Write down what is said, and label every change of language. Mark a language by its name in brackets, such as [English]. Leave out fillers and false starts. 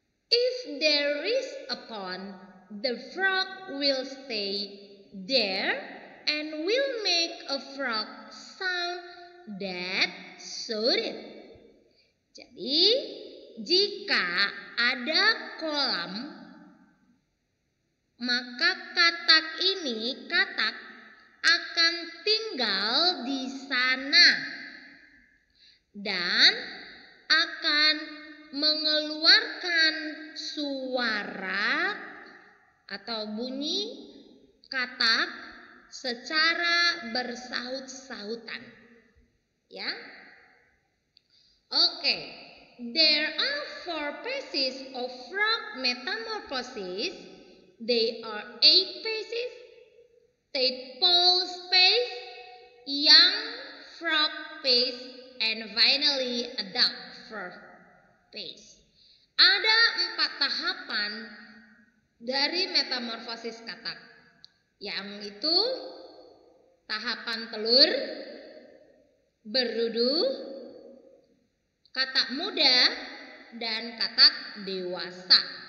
[English] If there is a pond, the frog will stay there and will make a frog sound that sweet. [Indonesian] Jadi, jika ada kolam, maka katak ini, katak akan tinggal di sana. dan akan mengeluarkan suara atau bunyi katak secara bersaut-sautan. Ya. Oke. [English] There are 4 phases of frog metamorphosis. They are 8 phases. Tadpole phase, young frog phase, and finally adult frog phase. [Indonesian] Ada 4 tahapan dari metamorfosis katak. Yang itu tahapan telur, berdudu, katak muda, dan katak dewasa.